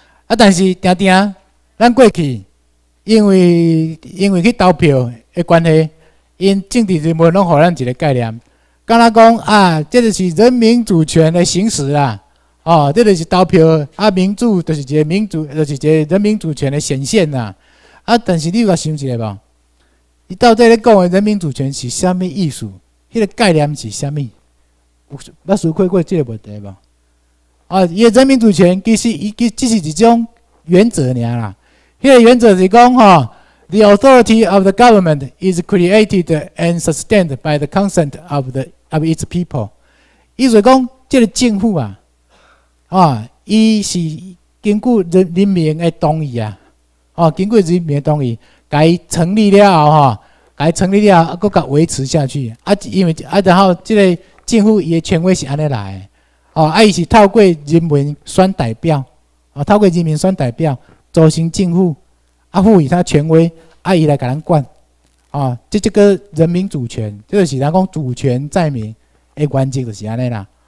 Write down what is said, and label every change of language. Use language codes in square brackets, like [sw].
[nan] 啊，但是常常咱过去因为去投票的关系，因政治人物拢给咱一个概念，跟他讲啊，这就是人民主权的行使啦，哦，这就是投票啊，民主就是一个民主，就是一个人民主权的显现啦。啊，但是你有甲想一下无？你到底咧讲的人民主权是啥物意思？迄，那个概念是啥物？有捌思考过这个问题无？啊，伊个人民主权其实一种原则尔啦。迄，那个原则是讲吼， [en] The authority of the government is created and sustained by the consent of its people. [nan] 意思讲，这个政府啊，啊，伊是根据人民的同意啊，哦，经过人民的同意，该成立了后哈，该成立了后，搁甲维持下去。啊，因为啊，然后这个政府伊的权威是安尼来的，哦，啊，伊是透过人民选代表，哦，透过人民选代表组成政府，啊，赋予他权威，啊，伊来甲咱管，哦，这个人民主权，这就是咱讲主权在民的关键，就是安尼啦。